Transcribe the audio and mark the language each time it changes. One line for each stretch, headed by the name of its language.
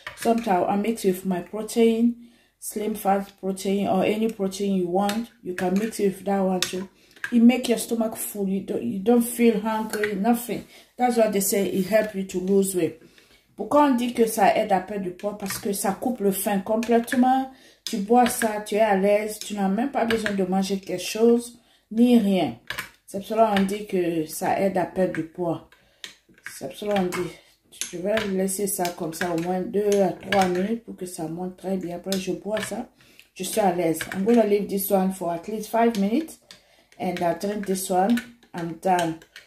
English: Sometimes I mix with my protein, slim fat protein, or any protein you want. You can mix it with that one too. It make your stomach full. You don't feel hungry, nothing. That's what they say. It helps you to lose weight.
French: Pourquoi on dit que ça aide à perdre du poids? Parce que ça coupe le faim complètement. Tu bois ça, tu es à l'aise, tu n'as même pas besoin de manger quelque chose, ni rien. C'est pour cela qu'on dit que ça aide à perdre du poids. C'est pour cela qu'on dit. Je vais laisser ça comme ça au moins 2 à 3 minutes pour que ça monte très bien. Après, je bois ça, je suis à l'aise.
English: I'm going to leave this one for at least 5 minutes. And I'll drink this one. I'm done.